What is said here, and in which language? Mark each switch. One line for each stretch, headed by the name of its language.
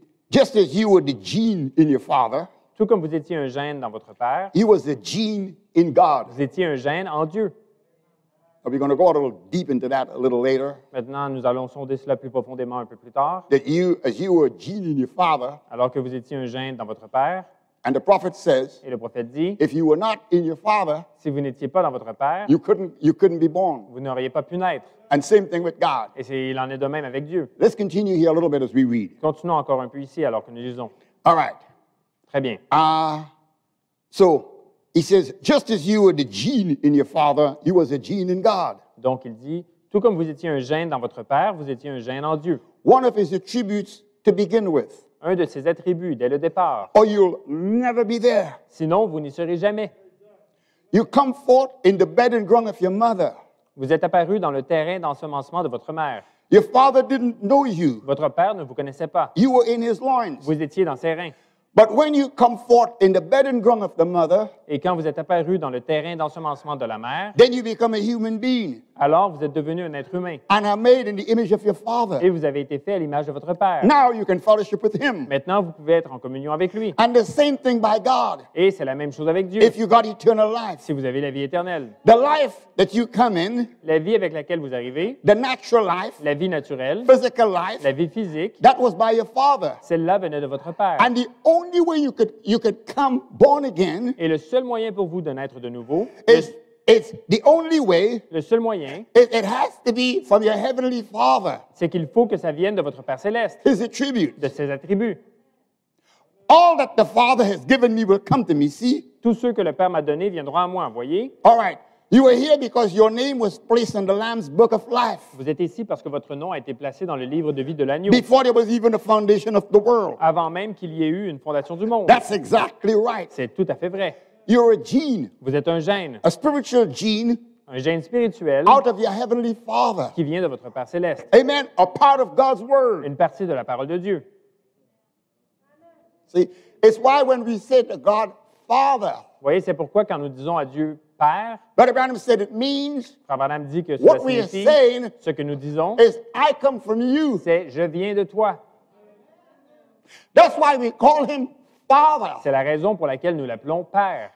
English: Just as you were the gene in your father.
French: Tout comme vous étiez un gène dans votre père.
English: He was a gene in God.
French: Vous étiez un gène en Dieu.
English: Are we going to go a little deep into that a little later?
French: Maintenant, nous allons sonder cela plus profondément un peu plus tard.
English: That you, as you were a gene in your father,
French: alors que vous étiez un gène dans votre père,
English: and the prophet says,
French: et le prophète dit,
English: if you were not in your father,
French: si vous n'étiez pas dans votre père,
English: you couldn't be born.
French: Vous n'auriez pas pu naître.
English: And same thing with God.
French: Et il en est de même avec Dieu.
English: Let's continue here a little bit as we read.
French: Continuons encore un peu ici alors que nous lisons.
English: All right.
French: Très bien.
English: He says, just as you were the gene in your father, you was a gene in God.
French: Donc il dit, tout comme vous étiez un gène dans votre père, vous étiez un gène en Dieu.
English: One of his attributes to begin with.
French: Un de ses attributs dès le départ.
English: Or you'll never be there.
French: Sinon vous n'y serez jamais.
English: You come forth in the bed and ground of your mother.
French: Vous êtes apparu dans le terrain d'ensemencement de votre mère.
English: Your father didn't know you.
French: Votre père ne vous connaissait pas.
English: You were in his loins.
French: Vous étiez dans ses reins.
English: But when you come forth in the bed and ground of the mother,
French: et quand vous êtes apparu dans le terrain d'ensemencement de la mère,
English: then you become a human being.
French: Alors vous êtes devenu un être humain.
English: And are made in the image of your father.
French: Et vous avez été fait à l'image de votre père.
English: Now you can fellowship with him.
French: Maintenant vous pouvez être en communion avec lui.
English: And the same thing by God.
French: Et c'est la même chose avec Dieu.
English: If you got eternal life.
French: Si vous avez la vie éternelle.
English: The life that you come in.
French: La vie avec laquelle vous arrivez.
English: The natural life.
French: La vie naturelle.
English: Physical life.
French: La vie physique.
English: That was by your father.
French: Celle-là venait de votre père.
English: And the only way you could come born again.
French: Et le seul moyen pour vous de naître de nouveau.
English: It's the only way.
French: Le seul moyen.
English: It has to be from your heavenly father.
French: C'est qu'il faut que ça vienne de votre Père céleste.
English: His attributes.
French: De ses attributs.
English: All that the Father has given me will come to me. See.
French: Tous ceux que le Père m'a donné viendront à moi. Voyez.
English: All right. You are here because your name was placed in the Lamb's Book of Life.
French: Vous êtes ici parce que votre nom a été placé dans le livre de vie de l'agneau.
English: Before there was even a foundation of the world.
French: Avant même qu'il y ait eu une fondation du monde.
English: That's exactly right.
French: C'est tout à fait vrai.
English: You're a gene.
French: Vous êtes un gène.
English: A spiritual gene.
French: Un gène spirituel.
English: Out of your heavenly father.
French: Qui vient de votre Père céleste.
English: Amen. A part of God's word.
French: Une partie de la parole de Dieu.
English: See, it's why when we say to God, Father.
French: Vous voyez, c'est pourquoi quand nous disons à Dieu Père.
English: Brother Branham said it means.
French: Frère Branham dit que
English: what we are saying.
French: Ce que nous disons.
English: Is I come from you.
French: C'est je viens de toi.
English: That's why we call him.
French: C'est la raison pour laquelle nous l'appelons Père.